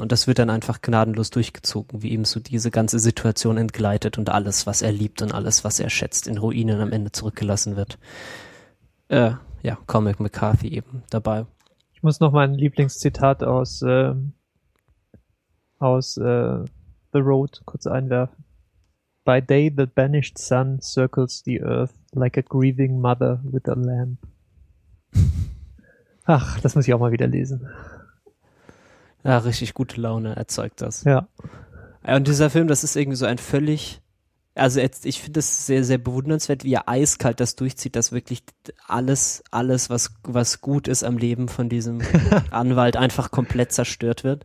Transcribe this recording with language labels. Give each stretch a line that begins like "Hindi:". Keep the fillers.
German: Und das wird dann einfach gnadenlos durchgezogen, wie ihm so diese ganze Situation entgleitet und alles, was er liebt und alles, was er schätzt, in Ruinen am Ende zurückgelassen wird. Äh, ja, Comic McCarthy eben dabei. Ich muss noch mein Lieblingszitat aus, äh, aus äh, The Road kurz einwerfen.
English: By day the banished sun circles the earth like a grieving mother with a lamp.
German: Ach, das muss ich auch mal wieder lesen. Ja, richtig gute Laune erzeugt das. Ja. Ja, Und dieser Film, das ist irgendwie so ein völlig, also jetzt, ich finde das sehr, sehr bewundernswert, wie er eiskalt das durchzieht, dass wirklich alles, alles, was, was gut ist am Leben von diesem Anwalt einfach komplett zerstört wird.